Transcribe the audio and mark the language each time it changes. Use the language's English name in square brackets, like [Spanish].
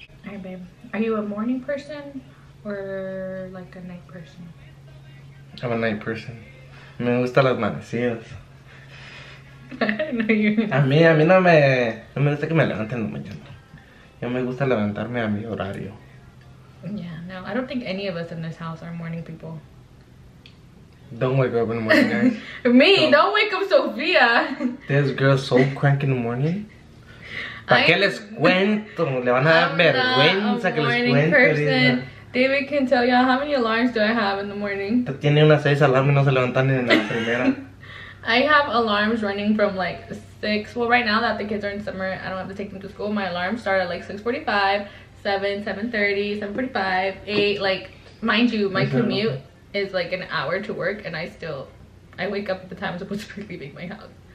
[English] Hey babe, are you a morning person or like a night person? I'm a night person. [Spanish] Me gusta las manecillas. A mí no me gusta que me levanten en la mañana. Yo me gusta levantarme a mi horario. [English] Yeah, no, I don't think any of us in this house are morning people. Don't wake up in the morning, guys. Me? Don't wake up, Sophia. This girl's so crank in the morning. [Spanish] ¿Para qué les cuento? Le van a dar vergüenza que les cuente. [English] David can tell y'all how many alarms do I have in the morning. [Spanish] Tiene unas 6 alarmas y no se levantan ni en la primera. [English] I have alarms running from like 6. Well, right now that the kids are in summer, I don't have to take them to school. My alarms start at like 6:45, 7, 7:30, 7:45, 8. Like, mind you, my commute is like an hour to work, and I wake up at the time I'm supposed to be leaving my house.